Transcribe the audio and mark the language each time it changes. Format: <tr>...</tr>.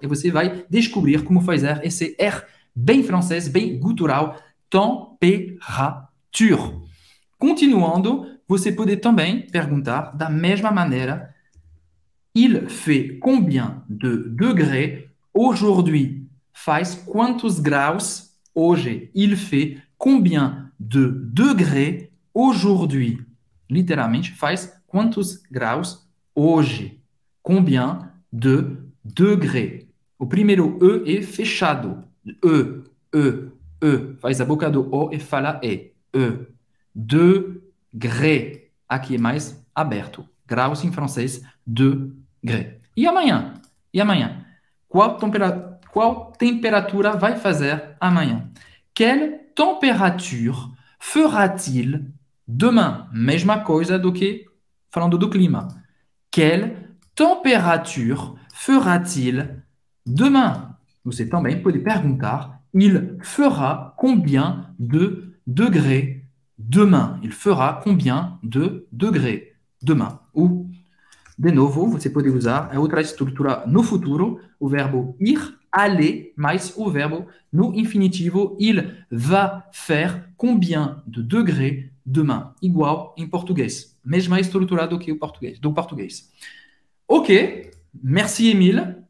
<pt>E você vai descobrir como fazer esse R bem francês, bem gutural, température. Continuando, você pode também perguntar da mesma maneira:</pt> <fr>il fait combien de degrés aujourd'hui?</fr> <pt>Faz quantos graus hoje?</pt> <fr>Il fait combien de degrés?</fr> <pt>Aujourd'hui, literalmente, faz quantos graus hoje?</pt> <fr>Combien de degrés?</fr> <pt>O primeiro E é fechado. E, E, E. Faz a boca do O e fala E. E. Degré. Aqui é mais aberto. Graus em francês, degré. E amanhã? E amanhã? Qual temperatura vai fazer amanhã?</pt> <fr>Quelle température fera-t-il?</fr> <pt>Demain, mesma coisa do que falando do clima.</pt> <fr>Quelle température fera-t-il demain?</fr> <pt>Você também pode perguntar:</pt> <fr>il fera combien de degrés demain? Il fera combien de degrés demain?</fr> <pt>Ou, de novo, você pode usar a outra estrutura no futuro, o verbo ir, aller, mais o verbo no infinitivo:</pt> <fr>il va faire combien de degrés demain,</fr> <pt>igual em português. Mesma estrutura do que o português, do português. Ok, merci, Emile.</pt>